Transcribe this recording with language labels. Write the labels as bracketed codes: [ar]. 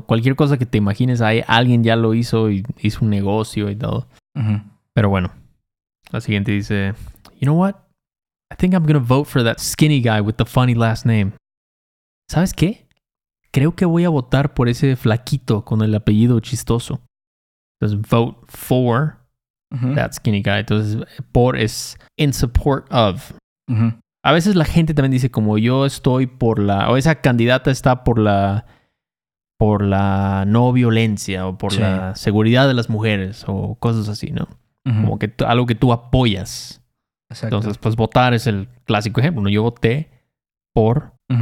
[es] Cualquier cosa que te imagines, ahí alguien ya lo hizo y hizo un negocio y todo. Uh-huh. Pero bueno, la siguiente dice, [en] you know what? I think I'm gonna vote for that skinny guy with the funny last name. [es] ¿Sabes qué? Creo que voy a votar por ese flaquito con el apellido chistoso. Entonces, [en] vote for that skinny guy. [es] Entonces, por es [en] in support of. [es] A veces la gente también dice como yo estoy por la... O esa candidata está por la no violencia o por la seguridad de las mujeres o cosas así, ¿no? Como que algo que tú apoyas. Exacto. Entonces, pues votar es el clásico ejemplo, ¿no? Yo voté por...